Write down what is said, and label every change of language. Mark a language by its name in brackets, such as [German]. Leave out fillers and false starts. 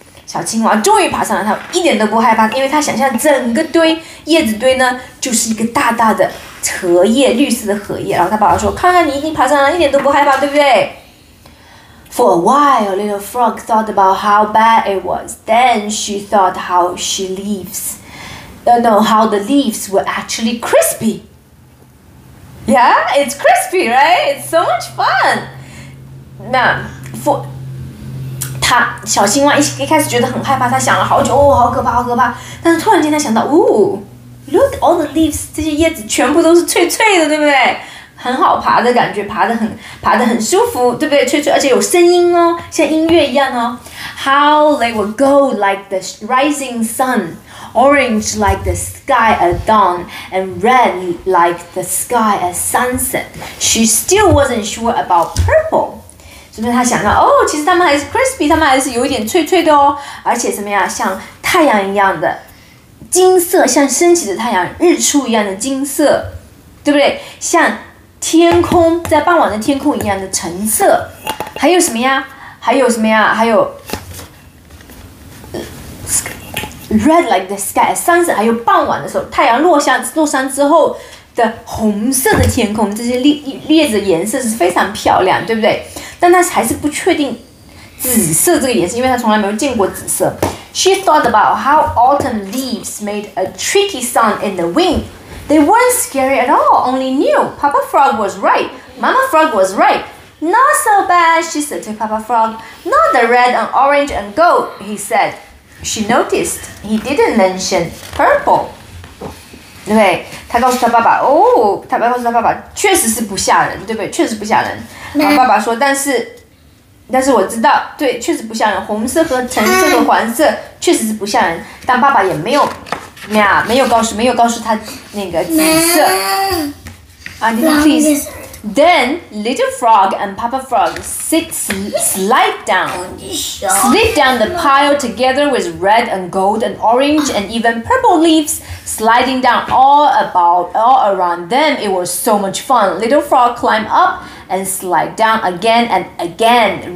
[Chinese] 小青蛙终于爬上了，它一点都不害怕，因为它想象整个堆叶子堆呢，就是一个大大的荷叶，绿色的荷叶。然后它爸爸说，看看你已经爬上了，一点都不害怕，对不对？ [English] For a while, little frog thought about how bad it was. Then she thought how she leaves. How the leaves were actually crispy. Yeah, it's crispy, right? It's so much fun. [Chinese] 那 他小青蛙一开始觉得很害怕，他想了好久，哦，好可怕，好可怕。但是突然间他想到，哦 ， [English] Look, all the leaves, [Chinese] 这些叶子全部都是脆脆的，对不对？很好爬的感觉，爬得很舒服，对不对？脆脆，而且有声音哦，像音乐一样哦。 [English] How they would go like the rising sun. Orange like the sky at dawn, and red like the sky at sunset. She still wasn't sure about purple. [Chinese] 所以她想到，哦，其实它们还是 crispy， 它们还是有一点脆脆的哦。而且什么呀，像太阳一样的金色，像升起的太阳，日出一样的金色，对不对？像天空在傍晚的天空一样的橙色。还有什么呀？还有什么呀？还有。 [English] Red like the sky at sunset， [Chinese] 还有傍晚的时候，太阳落山之后的红色的天空，这些叶子的颜色是非常漂亮，对不对？但他还是不确定紫色这个颜色，因为他从来没有见过紫色。 [English] She thought about how autumn leaves made a tricky sound in the wind. They weren't scary at all, only new. Papa Frog was right. Mama Frog was right. Not so bad, she said to Papa Frog. Not the red and orange and gold, he said. She noticed he didn't mention purple. [Chinese] 对不对？他告诉他爸爸，哦，他爸爸告诉他爸爸，确实是不吓人，对不对？确实不吓人。然后爸爸说，但是我知道，对，确实不吓人。红色和橙色和黄色确实是不吓人，但爸爸也没有，没有告诉他那个紫色。 [English] Please. Then little frog and Papa Frog slid down the pile together with red and gold and orange and even purple leaves sliding down all around them. It was so much fun. Little frog climbed up and slid down again and again.